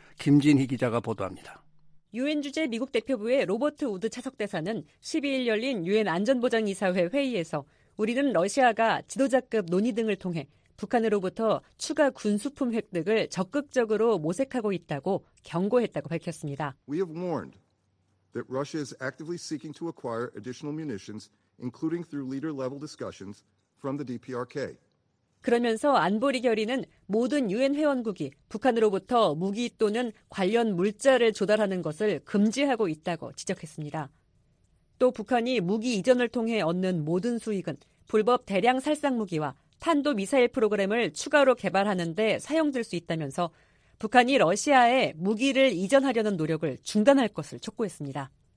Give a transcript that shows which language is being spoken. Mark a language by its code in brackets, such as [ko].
[ko] 김진희 기자가 보도합니다. 유엔 주재 미국 대표부의 로버트 우드 차석대사는 12일 열린 유엔 안전보장이사회 회의에서 우리는 러시아가 지도자급 논의 등을 통해 북한으로부터 추가 군수품 획득을 적극적으로 모색하고 있다고 경고했다고 밝혔습니다. [en] We have warned that Russia is actively seeking to acquire additional munitions, including through leader-level discussions from the DPRK. [ko] 그러면서 안보리 결의는 모든 유엔 회원국이 북한으로부터 무기 또는 관련 물자를 조달하는 것을 금지하고 있다고 지적했습니다. 또 북한이 무기 이전을 통해 얻는 모든 수익은 불법 대량 살상 무기와 탄도 미사일 프로그램을 추가로 개발하는 데 사용될 수 있다면서 북한이 러시아에 무기를 이전하려는 노력을 중단할 것을 촉구했습니다.